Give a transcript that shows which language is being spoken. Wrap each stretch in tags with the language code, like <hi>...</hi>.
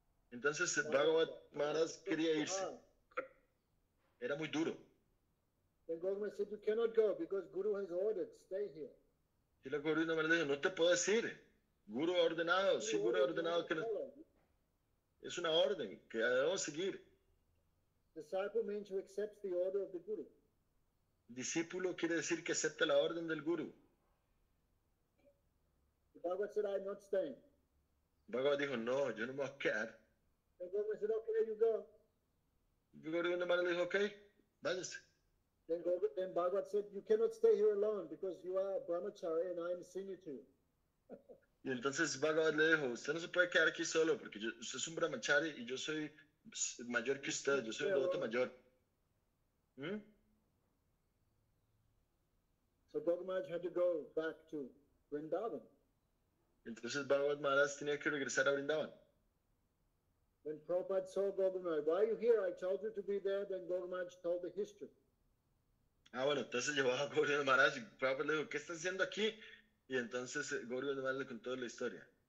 <es>Entonces Bhagavad Maharaj quería irse. Era muy duro.</es> <en>Then Gogamaya said, "You cannot go because Guru has ordered. Stay here."</en> <es>Y la Gorgovinda Maharaj dijo, "No te puedes ir. Guru ha ordenado. Sí, Guru ha ordenado que es una orden que debemos seguir."</es> <en>Disciple means to accept the order of the Guru.</en> <es>Discípulo quiere decir que acepta la orden del Guru.</es> <en>Bhagavad said, "I'm not staying."</en> <es>Bhagavad dijo, no, yo no me voy a quedar.</es> <en>Gogamaya said, okay, you go.</en> <es>Gogamaya Maharaj le dijo, okay, váyase.</es> <en>Then Bhagavad said, you cannot stay here alone because you are a brahmachari and I am a senior too.</en> <es>Y entonces Bhagavad le dijo, usted no se puede quedar aquí solo porque usted es un brahmachari y yo soy mayor que usted, yo soy un devoto mayor. ¿Mm?</es> <en>So Gogamaya had to go back to Vrindavan.</en> <es>Entonces Bhagavad Maharaj tenía que regresar a Vrindavan.</es> <en>When Prabhupada saw Gogamaya, why are you here? I told you to be there. Then Gogamaya told the history.</en> <es>Ah, bueno, entonces llevó a Gauri del Maharaj y Prabhupada le dijo, ¿qué estás haciendo aquí? Y entonces Gauri del Maharaj le contó la historia.</es>